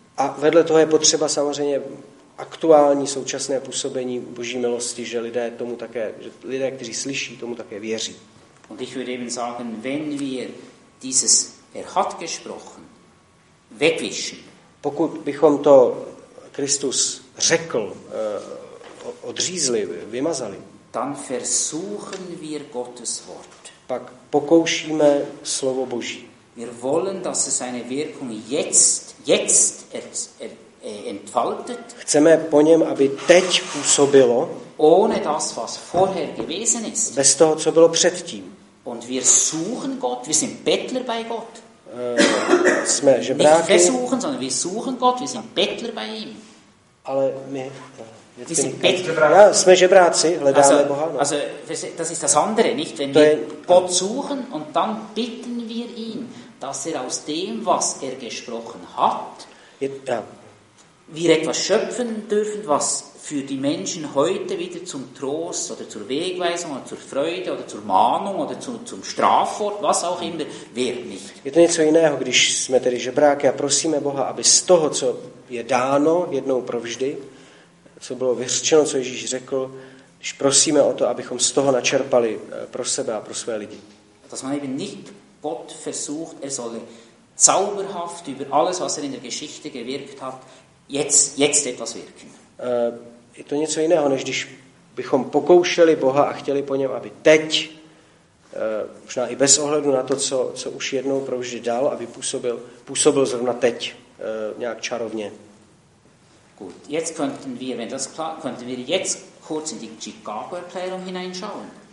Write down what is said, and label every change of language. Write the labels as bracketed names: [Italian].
[Czech] A vedle toho je potřeba samozřejmě aktuální současné působení Boží milosti, že lidé tomu také, že lidé, kteří slyší, tomu také věří. [German] Und ich würde eben sagen, wenn wir dieses er hat gesprochen wegwischen, [Czech] pokud bychom to Kristus řekl odřízli, vymazali, [German] dann versuchen wir Gottes Wort. [Czech] Pak pokoušíme slovo Boží. [German] Wir wollen, dass es seine Wirkung jetzt entfaltet. [Czech] Chceme po něm, aby teď působilo. [German] Ohne das, was vorher gewesen ist. [Czech] Bez toho, co bylo předtím. [German] Und wir suchen Gott, wir sind Bettler bei Gott. [Czech] Jsme žebráky. [German] Nicht versuchen, sondern wir suchen Gott, wir sind Bettler bei ihm. [Czech] Ale my, [German] wir sind Bettler. [Czech] Ja, jsme žebráci, hledáme [German] also, [Czech] Boha. No. [German] Also, das ist das andere, nicht? Wenn to wir je, Gott suchen und dann bitten wir ihn, dass er aus dem, was er gesprochen hat, wir etwas schöpfen dürfen, was für die Menschen heute wieder zum Trost oder zur Wegweisung oder zur Freude oder zur Mahnung oder zum Strafwort, was auch immer, wer nicht. [Czech] Je to něco jiného, když jsme tedy žebráky a prosíme Boha, aby z toho, co je dáno jednou provždy, co bylo vyřčeno, co Ježíš řekl, když prosíme o to, abychom z toho načerpali pro sebe a pro své lidi. [German] Dass man eben nicht Gott versucht, er soll zauberhaft über alles, was er in der Geschichte gewirkt hat, jetzt etwas wirken. [Czech] Je to něco jiného, než když bychom pokoušeli Boha a chtěli po něm, aby teď, možná i bez ohledu na to, co už jednou provždy dal, aby působil zrovna teď nějak čarovně. [German] Gut, jetzt könnten wir, wenn das klar, könnten wir jetzt kurz in die Chicago-Erklärung hineinschauen.